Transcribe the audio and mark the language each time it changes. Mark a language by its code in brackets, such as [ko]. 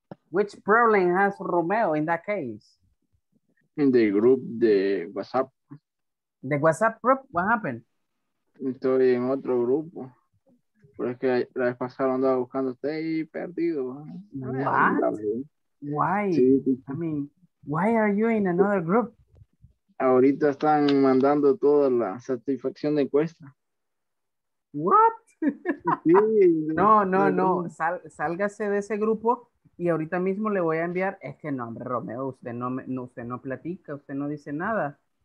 [en] Which problem has Romeo in that case? In the group, the WhatsApp. The WhatsApp group? What happened? [es] Estoy en otro grupo. Pero es que la vez pasada andaba buscando usted y perdido. [en] What? Why? Sí. I mean, why are you in another group? [es] Ahorita están mandando toda la satisfacción de encuesta. [en] What? [es] Sí. No, no, no. Sálgase de ese grupo y ahorita mismo le voy a enviar. Es que no, hombre, Romeo, usted no platica, usted no dice nada.